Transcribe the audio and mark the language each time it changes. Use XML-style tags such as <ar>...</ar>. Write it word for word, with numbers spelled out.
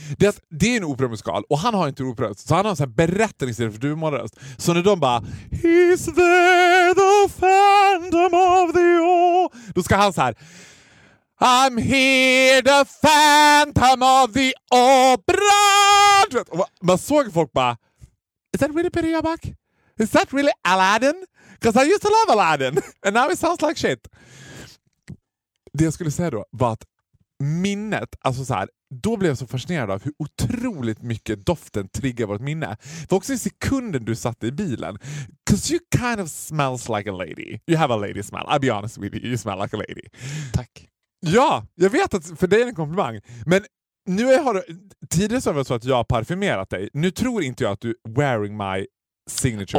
<sv>Det är, det är en operamusikal. Och han har inte operaröst. Så han har en sån här berättning istället för dumaröst. Så när de bara</sv> <en>Is there the Phantom of the Opera?</en> <sv>Då ska han så här</sv> <en>I'm here, the Phantom of the Opera.</en> <sv>Och man såg folk bara,</sv> <en>is that really Peter Jöback? Is that really Aladdin? Because I used to love Aladdin. And now it sounds like shit.</en> <sv>Det jag skulle säga då var att minnet, alltså så här, då blev jag så fascinerad av hur otroligt mycket doften triggar vårt minne. För också i sekunden du satt i bilen.</sv> <en>Because you kind of smells like a lady. You have a lady smell. I'll be honest with you. You smell like a lady.</en> <sv>Tack. Ja, jag vet att för dig är det en komplimang. Men nu har tidigare så var det så att jag har parfymerat dig. Nu tror inte jag att du</sv> <en>wearing my signature.</en>